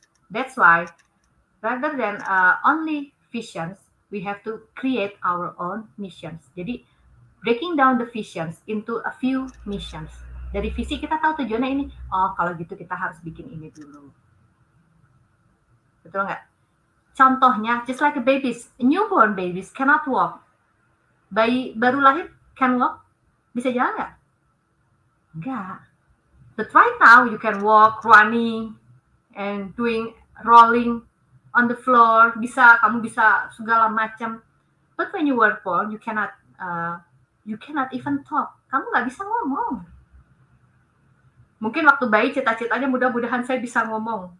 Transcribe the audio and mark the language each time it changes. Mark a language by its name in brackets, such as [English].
[English] That's why, rather than only visions, we have to create our own missions. Jadi, breaking down the visions into a few missions. [Indonesian] Dari visi kita tahu tujuannya ini, oh kalau gitu kita harus bikin ini dulu. Betul nggak? Contohnya, [English] just like a babies, newborn babies cannot walk. [Indonesian] Bayi baru lahir [English] can walk? [Indonesian] Bisa jalan nggak? Nggak. [English] But right now you can walk, running, and doing rolling on the floor. [Indonesian] Bisa, kamu bisa segala macam. [English] But when you were born, you cannot even talk. [Indonesian] Kamu nggak bisa ngomong. Mungkin waktu bayi cita-citanya mudah-mudahan saya bisa ngomong.